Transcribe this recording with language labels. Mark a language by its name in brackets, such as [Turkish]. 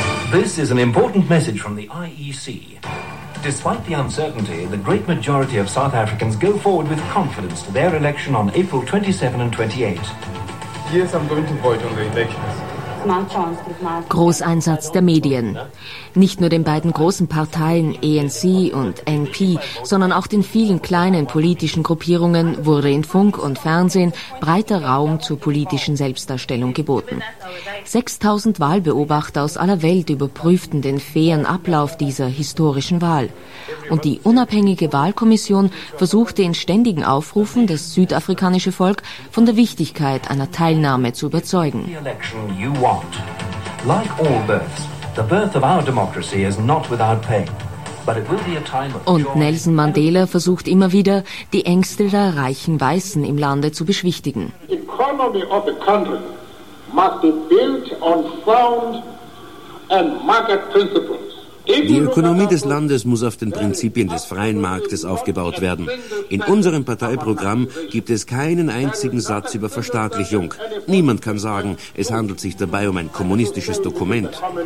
[English] This is an important message from the IEC. Despite the uncertainty, the great majority of South Africans go forward with confidence to their election on April 27 and 28. Yes, I'm going to vote on the elections. [German] Großeinsatz der Medien. Nicht nur den beiden großen Parteien ANC und NP, sondern auch den vielen kleinen politischen Gruppierungen wurde in Funk und Fernsehen breiter Raum zur politischen Selbstdarstellung geboten. 6000 Wahlbeobachter aus aller Welt überprüften den fairen Ablauf dieser historischen Wahl. Und die unabhängige Wahlkommission versuchte in ständigen Aufrufen das südafrikanische Volk von der Wichtigkeit einer Teilnahme zu überzeugen. Want. [English] Like all births, the birth of our democracy is not without pain, but it will be a time of joy. [German] Und Nelson Mandela versucht immer wieder, die Ängste der reichen Weißen im Lande zu beschwichtigen. [English] The economy of the country must be built on sound and market principles. [German] Die Ökonomie des Landes muss auf den Prinzipien des freien Marktes aufgebaut werden. In unserem Parteiprogramm gibt es keinen einzigen Satz über Verstaatlichung. Niemand kann sagen, es handelt sich dabei um ein kommunistisches Dokument.